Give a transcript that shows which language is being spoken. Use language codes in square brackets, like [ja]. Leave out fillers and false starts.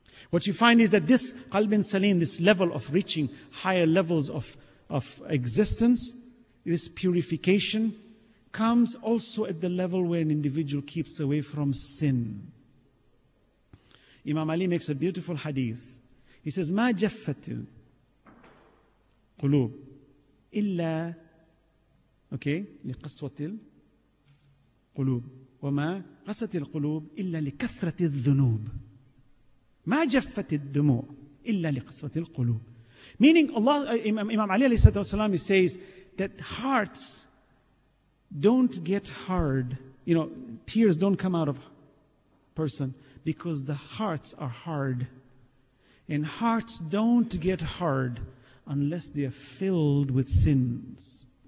[en] What you find is that this Qalbin Salim, this level of reaching higher levels of existence, this purification, comes also at the level where an individual keeps away from sin. Imam Ali makes a beautiful hadith. He says, [ar] مَا جَفَّتُ قُلُوب إِلَّا لِقَسْوَةِ الْقُلُوب وَمَا قَسَتِ الْقُلُوب إِلَّا لِكَثْرَةِ الذُّنُوبِ. مَا جَفَّتِ الدُّمُوعِ إِلَّا لِقَسْوَةِ الْقُلُوبِ. [en] Meaning Allah, Imam Ali alayhi salatu wasalam, he says that hearts don't get hard, you know, tears don't come out of person because the hearts are hard. And hearts don't get hard unless they are filled with sins.